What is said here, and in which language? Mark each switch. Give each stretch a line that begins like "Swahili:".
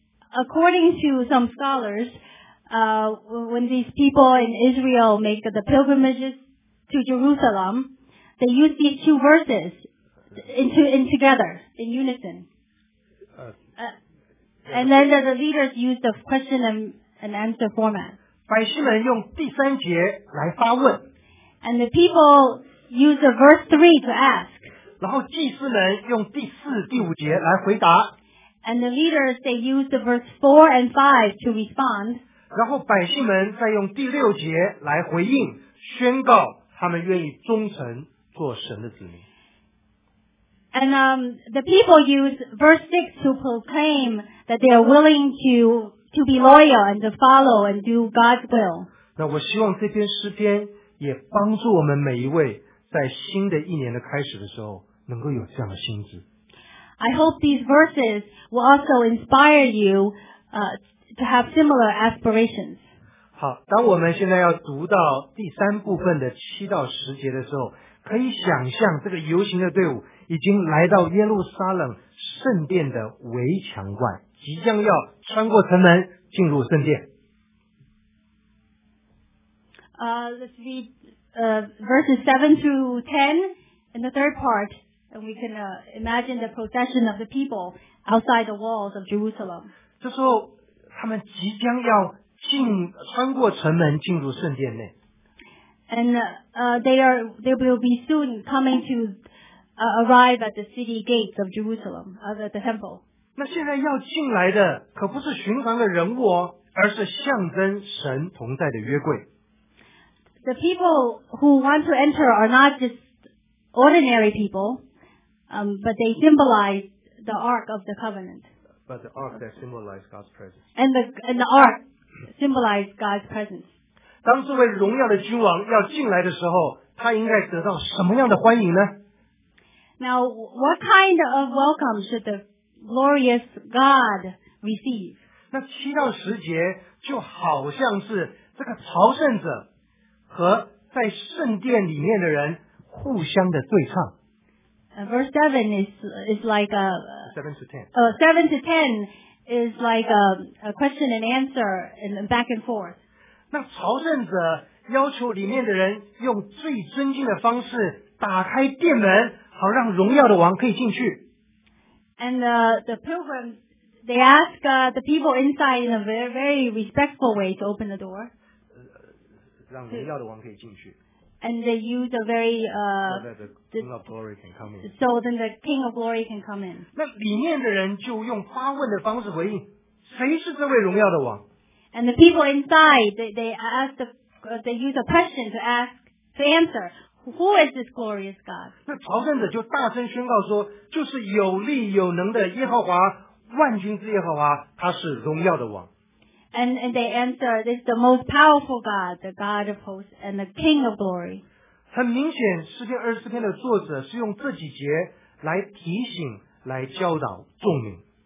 English: According to some scholars,when these people in Israel make the pilgrimages to Jerusalem, they use these two verses in together, in unison. And then the leaders use the question and answer format.
Chinese: 百姓们用第三节来发问。
English: And the people use the verse 3 to ask.
Chinese: 然后祭司们用第四、第五节来回答。
English: And the leaders, they use the verse 4 and 5 to respond.
Chinese: 然后百姓们再用第六节来回应，宣告他们愿意忠诚做神的子民。
English: And the people use verse 6 to proclaim that they are willing to be loyal and to follow and do God's will.
Chinese: 那我希望这篇诗篇也帮助我们每一位在新的一年的开始的时候能够有这样的心智。
English: I hope these verses will also inspire you to have similar aspirations.
Chinese: 好，当我们现在要读到第三部分的七到十节的时候，可以想象这个游行的队伍已经来到耶路撒冷圣殿的围墙外，即将要穿过城门进入圣殿。
English: Let's read verses 7 through 10 in the third part, and we can imagine the procession of the people outside the walls of Jerusalem.
Chinese: 这时候他们即将要穿过城门进入圣殿内。
English: And they will be soon coming to arrive at the city gates of Jerusalem, at the temple.
Chinese: 那现在要进来的可不是寻常的人物哦，而是象征神同在的约柜。
English: The people who want to enter are not just ordinary people, but they symbolize the Ark of the Covenant. But the ark that symbolizes God's presence. And the ark symbolizes God's presence.
Chinese: 当这位荣耀的君王要进来的时候，他应该得到什么样的欢迎呢？
English: Now, what kind of welcome should the glorious God receive?
Chinese: 那七到十节就好像是这个朝圣者和在圣殿里面的人互相的对唱。
English: Verse 7 is like a 7 to 10. 7 to 10 is like a question and answer and back and forth.
Chinese: 那朝圣者要求里面的人用最尊敬的方式打开殿门，好让荣耀的王可以进去。
English: And the pilgrims they ask the people inside in a very very respectful way to open the door.
Chinese: 让荣耀的王可以进去。
English: And they use a very so that the King of Glory can come in. So then the King of Glory can come in.
Chinese: 那里面的人就用发问的方式回应，谁是这位荣耀的王？
English: And the people inside they ask the they use a question to ask to answer who is this glorious God?
Chinese: 那朝圣者就大声宣告说，就是有力有能的耶和华，万军之耶和华，他是荣耀的王。
English: And they answer, this is the most powerful God, the God of hosts and the King of glory.
Chinese: 很明显，诗篇二十四篇的作者是用这几节来提醒、来教导众民。